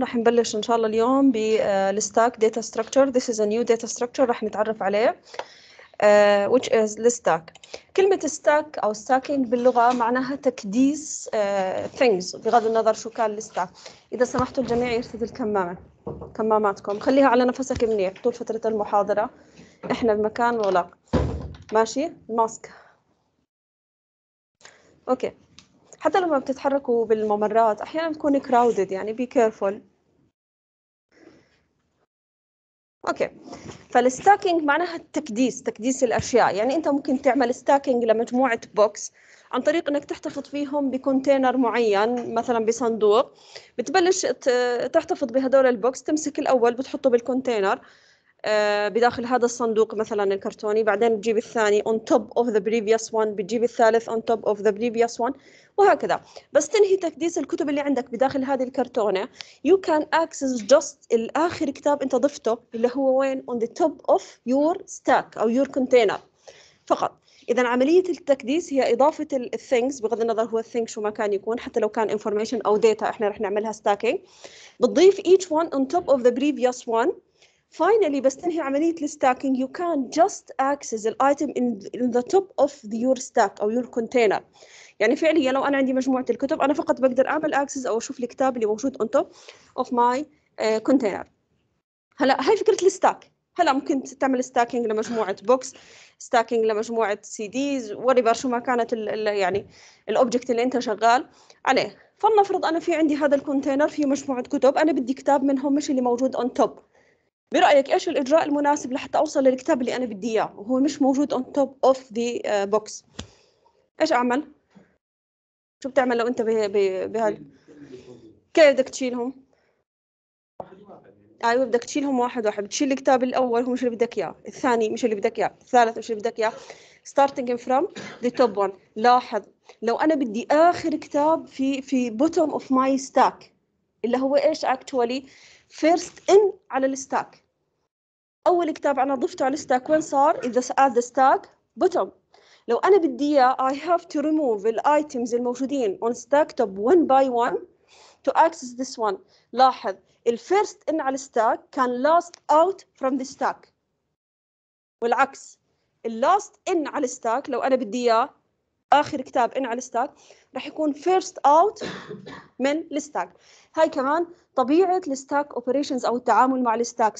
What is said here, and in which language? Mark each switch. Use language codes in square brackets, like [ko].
[ar] راح نبلش إن شاء الله اليوم بالستاك داتا ستراكتشر. [en] This is a new data structure [ar] راح نتعرف عليه. [en] Which is the stack. [ar] كلمة stack أو stacking باللغة معناها تكديس things بغض النظر شو كان الستاك. إذا سمحتوا الجميع يرتدي الكمامة، كماماتكم خليها على نفسك منيح طول فترة المحاضرة، إحنا بمكان مغلق. ماشي ماسك. أوكي، حتى لما بتتحركوا بالممرات احيانا بتكون كراودد، يعني بي كيرفول. اوكي، فالستاكينج معناها التكديس، تكديس الاشياء. يعني انت ممكن تعمل ستاكينج لمجموعه بوكس عن طريق انك تحتفظ فيهم بكونتينر معين، مثلا بصندوق، بتبلش تحتفظ بهدول البوكس، تمسك الاول بتحطه بالكونتينر بداخل هذا الصندوق مثلا الكرتوني، بعدين بتجيب الثاني [en] on top of the previous one، [ar] بتجيب الثالث on top of the previous one، وهكذا. بس تنهي تكديس الكتب اللي عندك بداخل هذه الكرتونة. [en] You can access just [ar] الآخر كتاب انت ضفته اللي هو وين؟ [en] on the top of your stack أو your container فقط. [ar] إذا عملية التكديس هي إضافة الثينجز، بغض النظر هو الثينج شو ما كان يكون، حتى لو كان information أو data احنا رح نعملها stacking، بتضيف [en] each one on top of the previous one. Finally [ar] بس تنهي عملية الستاكينج، [en] you can just access the item in the top of your stack أو your container. [ar] يعني فعليا لو أنا عندي مجموعة الكتب أنا فقط بقدر أعمل access أو أشوف الكتاب اللي موجود [en] on top of my container. [ar] هلا هاي فكرة الستاك. هلا ممكن تعمل ستاكينج لمجموعة books، ستاكينج لمجموعة CDs، whatever شو ما كانت الـ يعني الأوبجكت اللي أنت شغال عليه. فلنفرض أنا في عندي هذا الكونتينر فيه مجموعة كتب، أنا بدي كتاب منهم مش اللي موجود [en] on top. [ar] برأيك إيش الإجراء المناسب لحتى أوصل للكتاب اللي أنا بدي إياه وهو مش موجود [en] on top of the box؟ [ar] إيش أعمل؟ شو بتعمل لو أنت بهال؟ كيف بدك تشيلهم؟ أيوة بدك تشيلهم واحد واحد، بتشيل الكتاب الأول هو مش اللي بدك إياه، الثاني مش اللي بدك إياه، الثالث مش اللي بدك إياه. [en] Starting from the top one. [ar] لاحظ لو أنا بدي آخر كتاب في [en] bottom of my stack [ar] اللي هو إيش actually؟ [en] First in [ar] على الستاك، أول كتاب أنا ضفته على الستاك وين صار؟ إذا [en] at the stack bottom. [ar] لو أنا بدي إياه [en] I have to remove the items [ar] الموجودين [en] on stack top one by one to access this one. [ar] لاحظ ال [en] first in [ar] على الستاك كان [en] last out from the stack، [ar] والعكس ال [en] last in [ar] على الستاك لو أنا بدي إياه آخر كتاب إن على الستاك راح يكون [en] first out [ar] من الستاك. هاي كمان طبيعة الستاك operations أو التعامل مع الستاك.